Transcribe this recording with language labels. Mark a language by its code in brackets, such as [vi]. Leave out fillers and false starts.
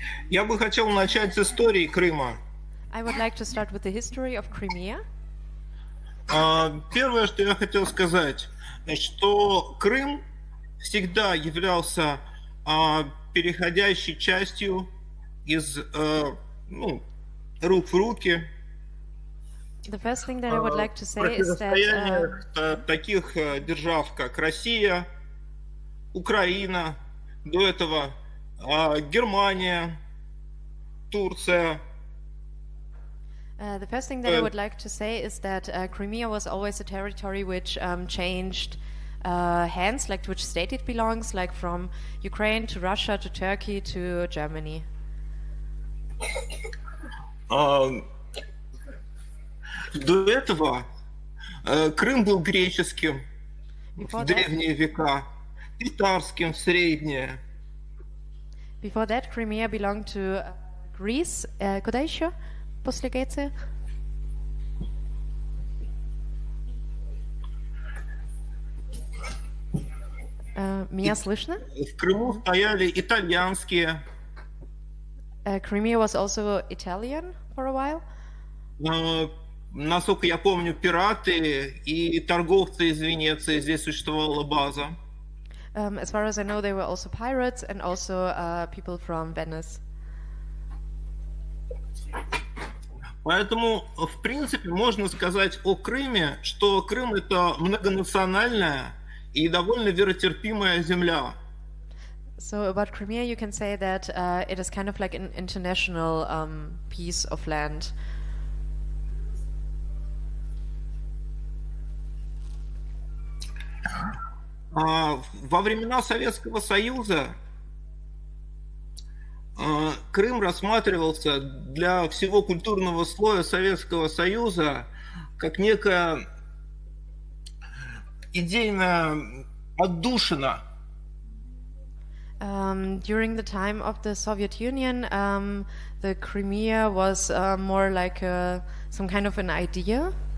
[ru] Я бы хотел начать с истории Крыма. [en] I would like to start with the history of Crimea. [ru] Первое, что я хотел сказать, что Крым всегда являлся переходящей частью из рук в руки. [en] The first thing that I would like to say is that [ru] таких держав, как Россия, Украина, до этого Германия, Турция. [en] The first thing that I would like to say is that Crimea was always a territory which changed hands, like to which state it belongs, like from Ukraine to Russia to Turkey to Germany. [ru] До этого Крым был греческим в древние века, татарским в среднее. [en] Before that, Crimea belonged to Greece. [ru] Куда еще? После Греции? Меня слышно? В Крыму стояли итальянские. [en] Crimea was also Italian for a while. [ru] Насколько я помню, пираты и торговцы из Венеции, здесь существовала база. [en] As far as I know, they were also pirates and also people from Venice. [ru] Поэтому, в принципе, можно сказать о Крыме, что Крым — это многонациональная и довольно веротерпимая земля. [en] So about Crimea, you can say that it is kind of like an international piece of land. [ru] Во времена Советского Союза Крым рассматривался для всего культурного слоя Советского Союза как некая идейная отдушина. [en] During the time of the Soviet Union, the Crimea was more like some kind of an idea.